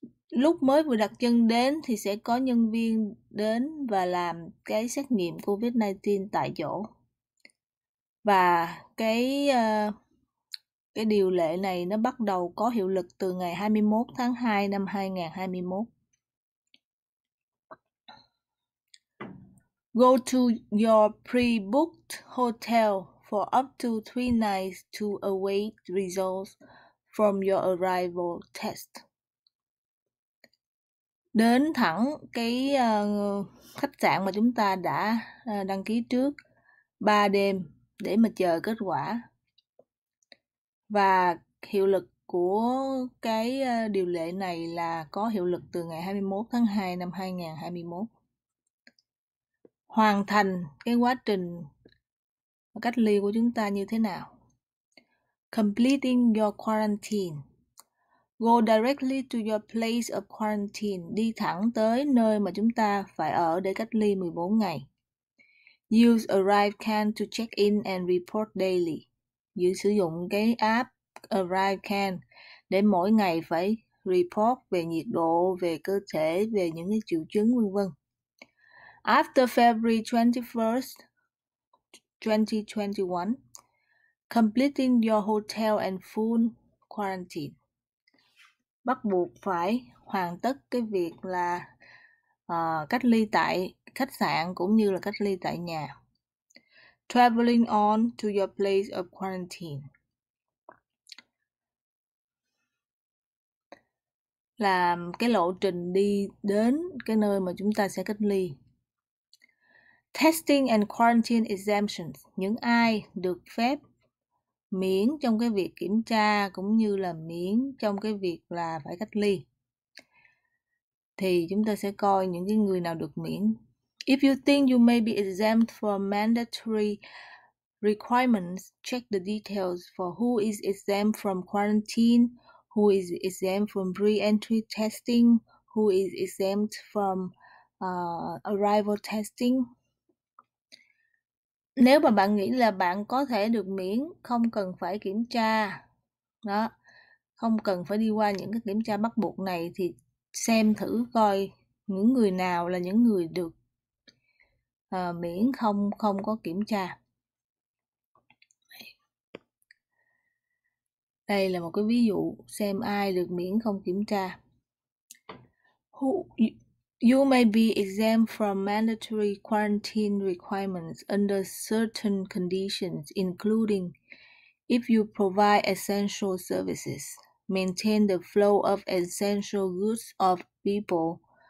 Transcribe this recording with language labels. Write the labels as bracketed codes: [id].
[vi] Lúc mới vừa đặt chân đến thì sẽ có nhân viên đến và làm cái xét nghiệm COVID-19 tại chỗ. Và cái điều lệ này nó bắt đầu có hiệu lực từ ngày 21 tháng 2 năm 2021. [en] Go to your pre-booked hotel for up to 3 nights to await results from your arrival test. [vi] Đến thẳng cái khách sạn mà chúng ta đã đăng ký trước 3 đêm để mà chờ kết quả. Và hiệu lực của cái điều lệ này là có hiệu lực từ ngày 21 tháng 2 năm 2021. Hoàn thành cái quá trình cách ly của chúng ta như thế nào? [en] Completing your quarantine. Go directly to your place of quarantine. [vi] Đi thẳng tới nơi mà chúng ta phải ở để cách ly 14 ngày. [en] Use Arrive Can to check in and report daily. [vi] Dự sử dụng cái app Arrive Can để mỗi ngày phải report về nhiệt độ, về cơ thể, về những cái triệu chứng vân vân. [en] After February 21st, 2021, completing your hotel and full quarantine. [vi] Bắt buộc phải hoàn tất cái việc là cách ly tại khách sạn cũng như là cách ly tại nhà. [en] Traveling on to your place of quarantine. [vi] Làm cái lộ trình đi đến cái nơi mà chúng ta sẽ cách ly. [en] Testing and quarantine exemptions. [vi] Những ai được phép miễn trong cái việc kiểm tra cũng như là miễn trong cái việc là phải cách ly. Thì chúng ta sẽ coi những cái người nào được miễn. [en] If you think you may be exempt from mandatory requirements, check the details for who is exempt from quarantine, who is exempt from re-entry testing, who is exempt from arrival testing. [vi] Nếu mà bạn nghĩ là bạn có thể được miễn, không cần phải kiểm tra, đó, không cần phải đi qua những cái kiểm tra bắt buộc này, thì xem thử coi những người nào là những người được miễn không không có kiểm tra. Đây là một cái ví dụ xem ai được miễn không kiểm tra. [en] You may be exempt from mandatory quarantine requirements under certain conditions, including if you provide essential services, maintain the flow of essential goods of people,